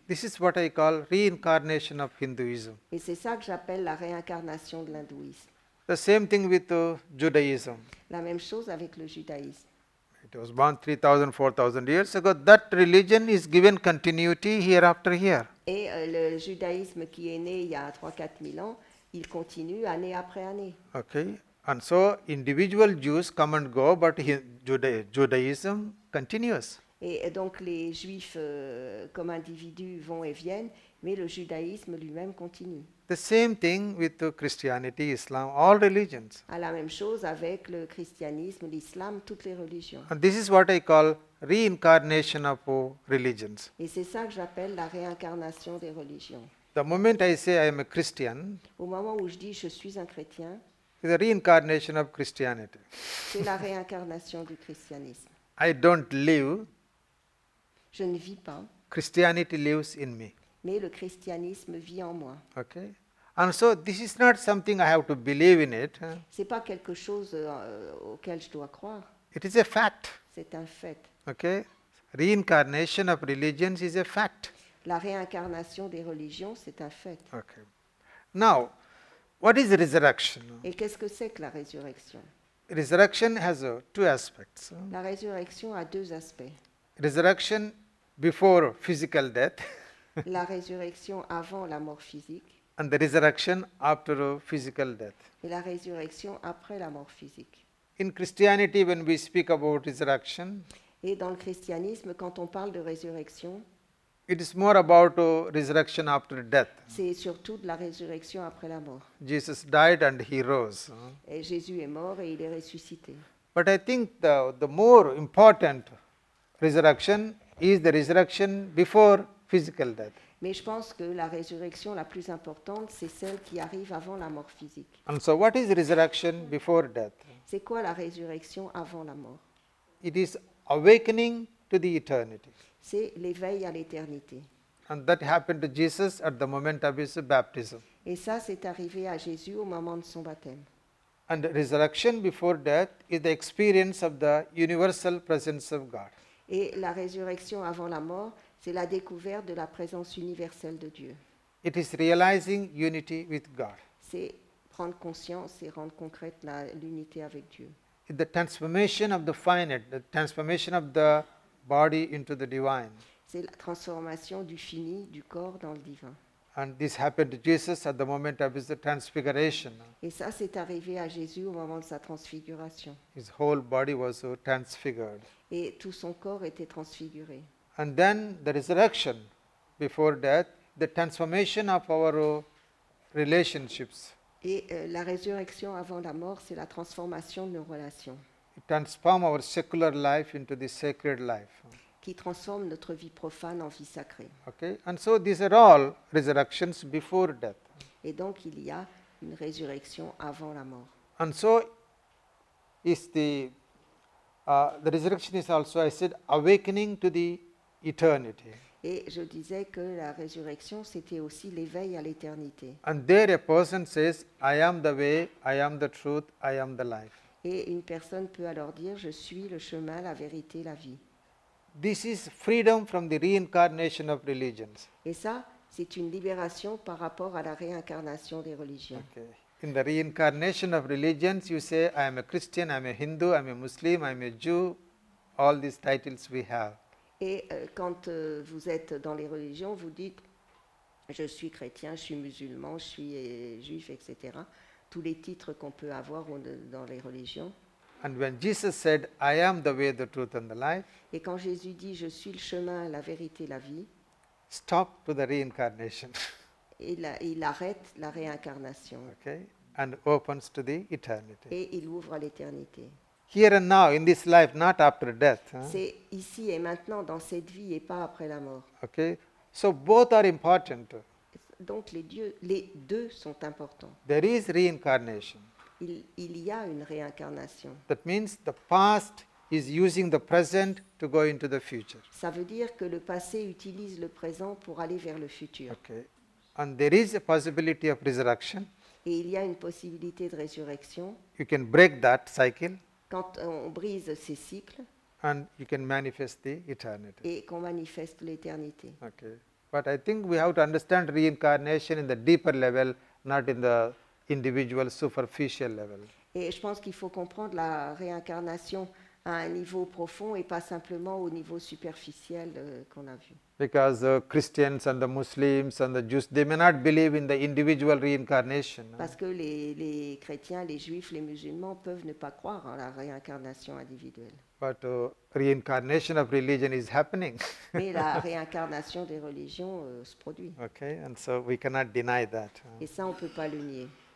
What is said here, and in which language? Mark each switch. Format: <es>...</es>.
<en>This is what I call reincarnation of Hinduism.</en> <fr>Et c'est ça que j'appelle la réincarnation de l'hindouisme.</fr> <en>The same thing with Judaism.</en> <fr>La même chose avec le judaïsme.</fr> <en>It was born 3,000, 4,000 years ago. That religion is given continuity year after year.</en> <fr>Et le judaïsme qui est né il y a 3-4 000 ans, il continue année après année.</fr> <en>Okay. And so individual Jews come and go, but Judaism continues.</en> <fr>Et donc les Juifs comme individus vont et viennent, mais le judaïsme lui-même continue.</fr> <en>The same thing with Christianity, Islam, all religions.</en> <fr>À la même chose avec le christianisme, l'islam, toutes les religions.</fr> <en>And this is what I call reincarnation of religions.</en> <fr>Et c'est ça que j'appelle la réincarnation des religions.</fr> <en>The moment I say I am a Christian.</en> <fr>Au moment où je dis je suis un chrétien.</fr> <en>The reincarnation of Christianity.</en> <fr>C'est la réincarnation du christianisme.</fr> <en>I don't live.</en> <fr>Je ne vis pas.</fr> <en>Christianity lives in me.</en> <fr>Mais le christianisme vit en moi.</fr> <en>Okay. And so this is not something I have to believe in it.</en> <fr>C'est pas quelque chose auquel je dois croire.</fr> <en>It is a fact.</en> <fr>C'est un fait.</fr> <en>Okay. Reincarnation of religions is a fact.</en> <fr>La réincarnation des religions, c'est un fait.</fr> <en>Okay. Now, what is resurrection?</en> <fr>Et qu'est-ce que c'est que la résurrection?</fr> <en>Resurrection has two aspects.</en> <fr>La résurrection a deux aspects.</fr> <en>Resurrection before physical death.</en> <fr>La résurrection avant la mort physique.</fr> <en>And the resurrection after physical death.</en> <fr>Et la résurrection après la mort physique.</fr> <en>In Christianity, when we speak about resurrection,</en> <fr>et dans le christianisme, quand on parle de résurrection,</fr> <en>it is more about resurrection after death.</en> <fr>C'est surtout de la résurrection après la mort.</fr> <en>Jesus died and he rose.</en> <fr>Et Jésus est mort et il est ressuscité.</fr> <en>But I think the more important resurrection is the resurrection before physical death.</en> <fr>Mais je pense que la résurrection la plus importante, c'est celle qui arrive avant la mort physique.</fr> <en>And so what is resurrection before death?</en> <fr>C'est quoi la résurrection avant la mort?</fr> <en>It is awakening to the eternity.</en> <fr>C'est l'éveil à l'éternité.</fr> <en>And that happened to Jesus at the moment of his baptism.</en> <fr>Et ça, c'est arrivé à Jésus au moment de son baptême.</fr> <en>And the resurrection before death is the experience of the universal presence of God.</en> <fr>Et la résurrection avant la mort, c'est la découverte de la présence universelle de Dieu.</fr> <en>It is realizing unity with God.</en> <fr>C'est prendre conscience et rendre concrète l'unité avec Dieu.</fr> <en>The transformation of the finite, the transformation of the body into the divine.</en> <fr>C'est la transformation du fini, du corps dans le divin.</fr> <en>And this happened to Jesus at the moment of his transfiguration.</en> <fr>Et ça, c'est arrivé à Jésus au moment de sa transfiguration.</fr> <en>His whole body was transfigured.</en> <fr>Et tout son corps était transfiguré.</fr> <en>And then the resurrection before death, the transformation of our relationships.</en> <fr>Et la résurrection avant la mort, c'est la transformation de nos relations.</fr> <en>Transform our secular life into the sacred life.</en> <fr>Qui transforme notre vie profane en vie sacrée.</fr> <en>Okay, and so these are all resurrections before death.</en> <fr>Et donc il y a une résurrection avant la mort.</fr> <en>And so is the resurrection is also, I said, awakening to the eternity.</en> <fr>Et je disais que la résurrection, c'était aussi l'éveil à l'éternité.</fr> <en>And there a person says, I am the way, I am the truth, I am the life.</en> <fr>Et une personne peut alors dire, je suis le chemin, la vérité, la vie.</fr> <en>This is freedom from the reincarnation of religions.</en> <fr>Et ça, c'est une libération par rapport à la réincarnation des religions.</fr> <en>Okay. In the reincarnation of religions, you say, I am a Christian, I am a Hindu, I am a Muslim, I am a Jew, all these titles we have.</en> <fr>Et quand vous êtes dans les religions, vous dites, je suis chrétien, je suis musulman, je suis juif, etc. Tous les titres qu'on peut avoir dans les religions.</fr> <en>And when Jesus said, I am the way, the truth and the life.</en> <fr>Et quand Jésus dit, je suis le chemin, la vérité, la vie.</fr> <en>Stop to the reincarnation.</en> <fr>Il arrête la réincarnation.</fr> <en>Okay. And opens to the eternity.</en> <fr>Et il ouvre à l'éternité.</fr> <en>Here and now, in this life, not after death. Huh?</en> <fr>C'est ici et maintenant, dans cette vie, et pas après la mort.</fr> <en>Okay. So both are important.</en> <fr>Donc les deux sont importants.</fr> <en>There is reincarnation.</en> <fr>Il y a une réincarnation.</fr> <en>That means the past is using the present to go into the future.</en> <fr>Ça veut dire que le passé utilise le présent pour aller vers le futur.</fr> <en>Okay. And there is a possibility of resurrection.</en> <fr>Et il y a une possibilité de résurrection.</fr> <en>You can break that cycle.</en> <fr>Quand on brise ces cycles.</fr> <en>And you can manifest the eternity.</en> <fr>Et qu'on manifeste l'éternité.</fr> <en>Okay. But I think we have to understand reincarnation in the deeper level, not in the individual superficial level.</en> <fr>Et je pense qu'il faut comprendre la réincarnation à un niveau profond et pas simplement au niveau superficiel qu'on a vu.</fr> <en>Because the Christians and the Muslims and the Jews, they may not believe in the individual reincarnation.</en> <fr>Parce que les chrétiens, les juifs, les musulmans peuvent ne pas croire en la réincarnation individuelle.</fr> <en>But reincarnation of religion is happening.</en> <fr>Mais la réincarnation des religions se produit.</fr> <en>Okay, and so we cannot deny that.</en> <fr>Et ça, on peut pas le nier.</fr>